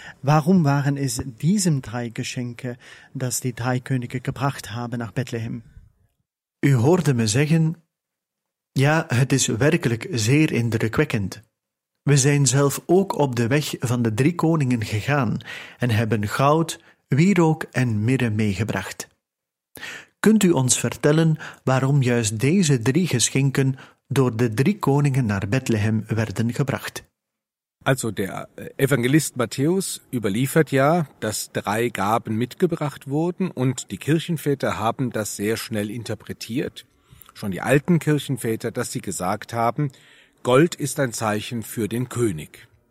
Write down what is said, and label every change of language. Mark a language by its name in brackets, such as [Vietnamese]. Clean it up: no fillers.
[German] Warum waren es diesen drei Geschenke, das die drei Könige gebracht haben nach Bethlehem? [Dutch] U hoorde me zeggen, ja, het is werkelijk zeer indrukwekkend. We zijn zelf ook op de weg van de drie koningen gegaan en hebben goud, wierook en mirre meegebracht. Kunt u ons vertellen waarom juist deze drie geschenken door de drie koningen naar Bethlehem werden gebracht? [German] Also der Evangelist Matthäus überliefert ja, dass drei Gaben mitgebracht wurden und die Kirchenväter haben das sehr schnell interpretiert, schon die alten Kirchenväter, dass sie gesagt haben, Gold ist ein Zeichen für den König.